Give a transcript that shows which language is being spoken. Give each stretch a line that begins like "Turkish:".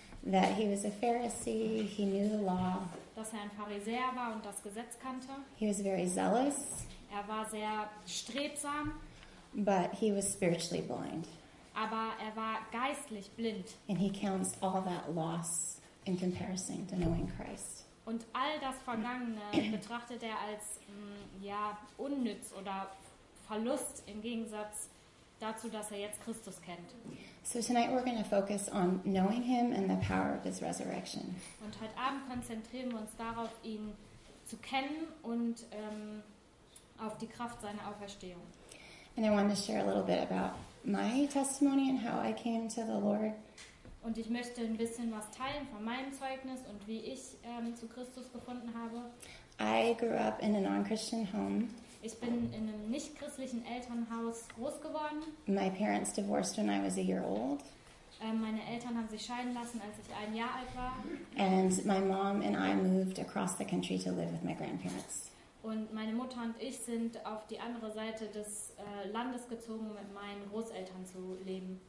English: That he was a Pharisee, he knew the law.
German: Dass er ein Pharisäer war und das Gesetz kannte.
English: He was very zealous.
German: Er war sehr strebsam.
English: But he was spiritually blind.
German: Aber er war geistlich blind.
English: And he counts all that loss in comparison to knowing Christ.
German: Und all das Vergangene betrachtet er als unnütz oder Verlust im Gegensatz dazu, dass er jetzt Christus kennt.
English: So tonight we're going to focus on knowing him and the power of his resurrection.
German: Und heute Abend konzentrieren wir uns darauf, ihn zu kennen und auf die Kraft seiner Auferstehung.
English: And I want to share a little bit about my testimony and how I came to the Lord.
German: Und ich möchte ein bisschen was teilen von meinem Zeugnis und wie ich zu Christus gefunden habe.
English: I grew up in a non-Christian home.
German: Ich bin in einem nicht-christlichen Elternhaus groß geworden.
English: My parents divorced when I was a year old.
German: Meine Eltern haben sich scheiden lassen, als ich ein Jahr alt war.
English: And my mom and I moved across the country to live with my grandparents.
German: Und meine Mutter und ich sind auf die andere Seite des Landes gezogen, mit meinen Großeltern zu leben.